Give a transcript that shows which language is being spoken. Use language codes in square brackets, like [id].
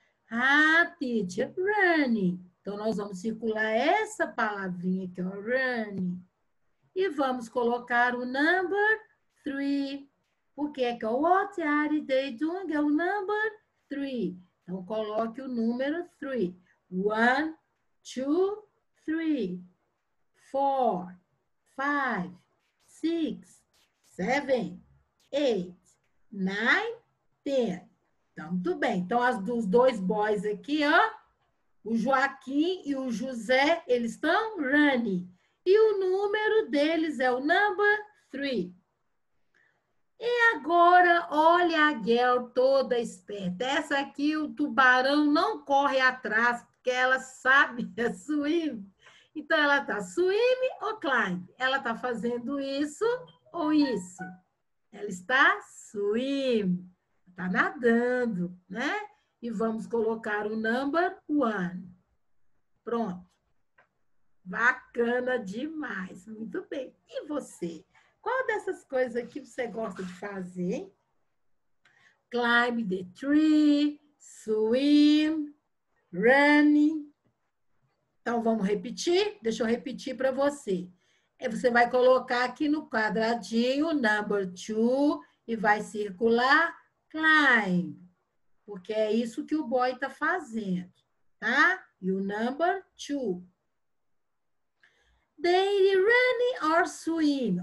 [pt] Ah, teacher, running. Então, nós vamos circular essa palavrinha aqui, ó, running. E vamos colocar o number three. Porque é que what are they doing? É o number three. Então, coloque o número three. [en] One, two, three, four, five, six, seven, eight, nine, ten. [pt] Então, tudo bem. Então, as dos dois boys aqui, ó. O Joaquim e o José, eles estão running. E o número deles é o number three. E agora, olha a girl toda esperta. Essa aqui, o tubarão não corre atrás, porque ela sabe é swim. Então, ela tá swim ou climb? Ela tá fazendo isso ou isso? Ela está swim. Tá nadando, né? E vamos colocar o number one. Pronto. Bacana demais. Muito bem. E você. Qual dessas coisas aqui você gosta de fazer? [en] Climb the tree, swim, running. [pt] Então, vamos repetir? Deixa eu repetir para você. Você vai colocar aqui no quadradinho, number two, e vai circular, climb. Porque é isso que o boy está fazendo, tá? E o number two. They're running or swim.